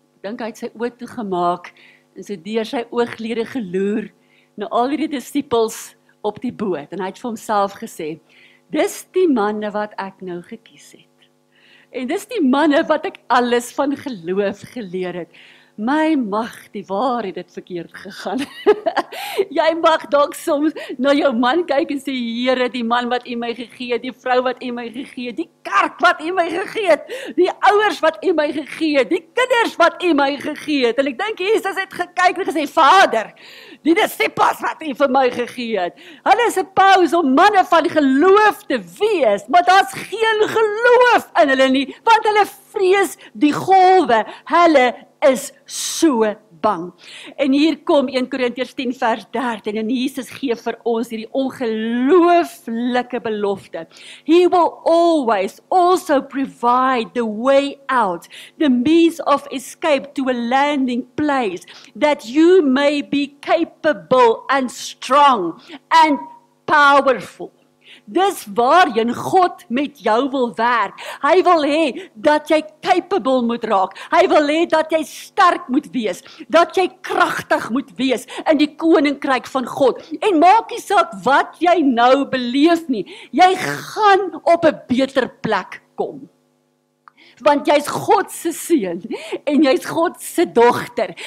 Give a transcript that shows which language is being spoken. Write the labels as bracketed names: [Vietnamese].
[Afrikaans] Ek dink hy het sy oë toegemaak en so deur sy ooglede geloer na al die disippels op die boot, en hy het vir homself gesê, dis die manne wat ek nou gekies het, en dis die manne wat ek alles van geloof geleer het. My mag, die waar het dit verkeerd gegaan. Jy mag dalk soms na jou man kyk en sê, Here, die man wat U my gegee het, die vrou wat U my gegee het, die kerk wat U my gegee het, die ouers wat U my gegee het, die kinders wat U my gegee het. En ek dink Jesus het gekyk en gesê, Vader, die disippels wat U vir my gegee het, hulle is 'n pause om manne van geloof te wees, maar daar's geen geloof in hulle nie, want hulle vrees die golwe, hulle is so bang. En hier kom 1 Korintiërs 10 vers 13, en Jesus gee vir ons hierdie ongelooflike belofte. [English] He will always also provide the way out, the means of escape to a landing place, that you may be capable and strong and powerful. [Afrikaans] Dis waarheen God met jou wil werk. Hy wil hê dat jy capable moet raak. Hy wil hê dat jy sterk moet wees, dat jy kragtig moet wees in die koninkryk van God. En maak nie saak wat jy nou beleef nie, jy gaan op 'n beter plek kom. Want jy's God se seun en jy's God se dogter.